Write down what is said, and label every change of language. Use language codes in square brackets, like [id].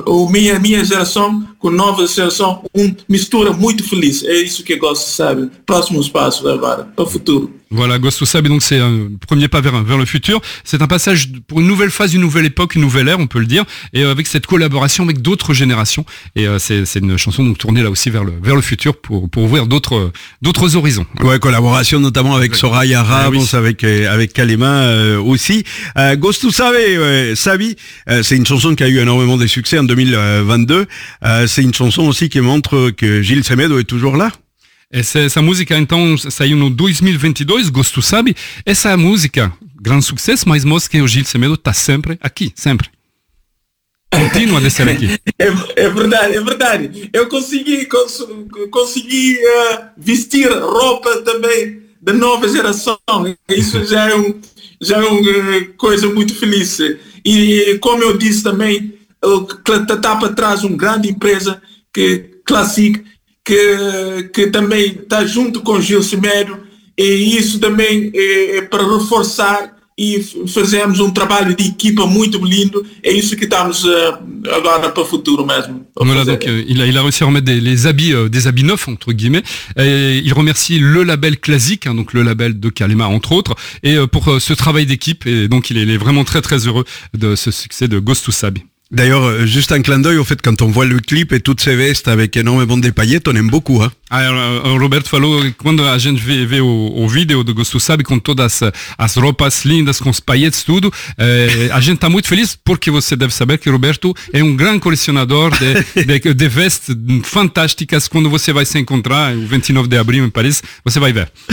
[pt] Minha geração com nova geração, mistura muito feliz. É isso que Gosto Sabe. Próximo passo agora, para o futuro. [fr] Voilà, Gosto Sabe, donc c'est un premier pas vers le futur. C'est un passage pour une nouvelle phase, une nouvelle époque, une nouvelle ère, on peut le dire. Et avec cette collaboration avec d'autres générations. Et c'est une chanson donc tournée là aussi vers le futur pour ouvrir d'autres horizons. Ouais, collaboration notamment avec Soraya Ramos, oui. avec Kalema aussi. Gosto Sabe, c'est une chanson qui a eu énormément de succès en 2022. C'est une chanson aussi qui montre que Gilles Semedo est toujours là. [pt] Essa música então saiu no 2022, Gosto Sabe. Essa música, grande sucesso, mas mostra que o Gil Semedo está sempre aqui, sempre. Continua de ser aqui. É verdade. Eu consegui vestir roupa também da nova geração. Isso já é uma coisa muito feliz. E como eu disse também, o Tatapa traz uma grande empresa, que clássica, que também está junto com Gil Semedo, e isso também é para reforçar, e fazemos um trabalho de equipa muito lindo. É isso que estamos agora para o futuro mesmo. [fr] Voilà, donc il a réussi à remettre des habits neufs entre guillemets, et il remercie le label Classique, hein, donc le label de Kalema entre autres, et pour ce travail d'équipe, et donc il est vraiment très très heureux de ce succès de Gosto Sabe. D'ailleurs, juste un clin d'œil au fait, quand on voit le clip et toutes ces vestes avec énormément de paillettes, on aime beaucoup, hein. [pt] Alors, Robert falou, quando a gente vê o vídeo do Gosto Sabe com todas as roupas lindas, com os paillettes, tudo, a gente tá muito feliz, porque você deve saber que Roberto é um grande colecionador de vestes fantásticas. Quando você vai se encontrar, o 29 de abril em Paris, você vai ver.